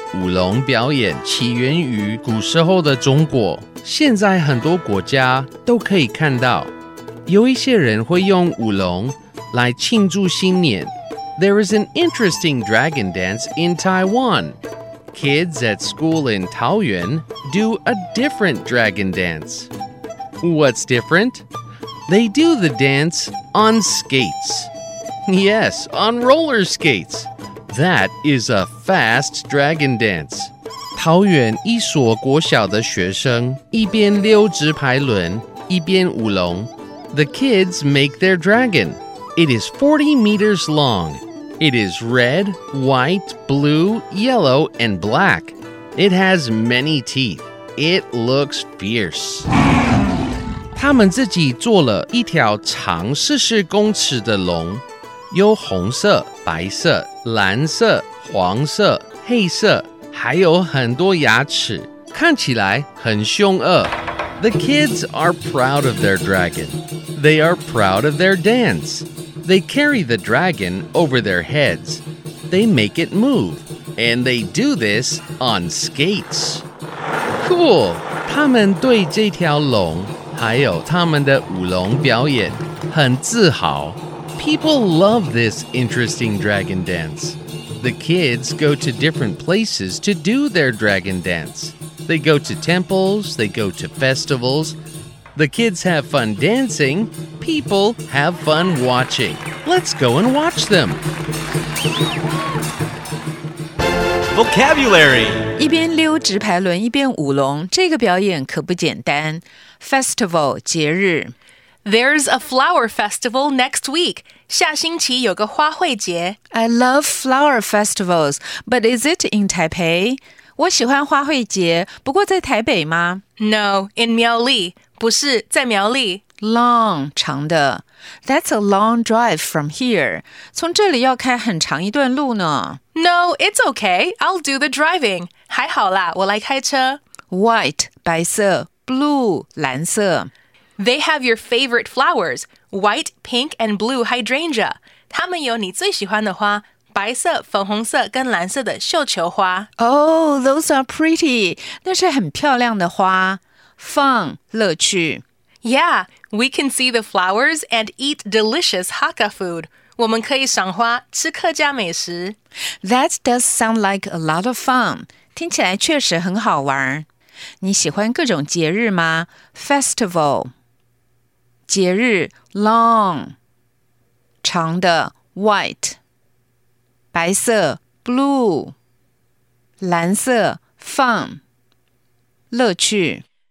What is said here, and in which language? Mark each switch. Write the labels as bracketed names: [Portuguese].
[Chinese] 舞龙表演起源于古时候的中国。现在很多国家都可以看到，有一些人会用舞龙来庆祝新年。 [English] There is an interesting dragon dance in Taiwan. Kids at school in Taoyuan do a different dragon dance. What's different? They do the dance on skates. Yes, on roller skates. That is a fast dragon dance. [Chinese] 桃園一所國小的學生一邊溜直排輪一邊舞龍。 [English] The kids make their dragon. It is 40 meters long. It is red, white, blue, yellow, and black. It has many teeth. It looks fierce. [Chinese] 他們自己做了一條長40公尺的龍，有紅色、白色、藍色、黃色、黑色。還有很多牙齒，看起來很兇惡。 [English] The kids are proud of their dragon. They are proud of their dance. They carry the dragon over their heads. They make it move. And they do this on skates. Cool! [Chinese] 他們對這條龍，還有他們的舞龍表演很自豪。 [English] People love this interesting dragon dance. The kids go to different places to do their dragon dance. They go to temples, they go to festivals. The kids have fun dancing, people have fun watching. Let's go and watch them. Vocabulary. [Chinese] 一边溜直排轮一边舞龙，这个表演可不简单。 Festival, 节日。 [English] There's a flower festival next week. [Chinese] 下星期有个花卉节。 [English] I love flower festivals, but is it in Taipei? [Chinese] 我喜欢花卉节，不过在台北吗？ [English] No, in Miaoli. [Chinese] 不是，在苗栗。 [English] Long, 长的。That's a long drive from here. [Chinese] 从这里要开很长一段路呢。 [English] No, it's okay. I'll do the driving. [Chinese] 还好啦，我来开车。 [English] White, 白色。Blue, 蓝色。 They have your favorite flowers, white, pink, and blue hydrangea. [Chinese] 他们有你最喜欢的花，白色、粉红色跟蓝色的绣球花。 [English] Oh, those are pretty. [Chinese] 那是很漂亮的花。 Fun, 乐趣。 [English] Yeah, we can see the flowers and eat delicious Hakka food. [Chinese] 我们可以赏花，吃客家美食。 [English] That does sound like a lot of fun. [Chinese] 听起来确实很好玩。你喜欢各种节日吗 ？Festival， 节日 ，long， 长的 ，white， 白色 ，blue， 蓝色 ，fun， 乐趣。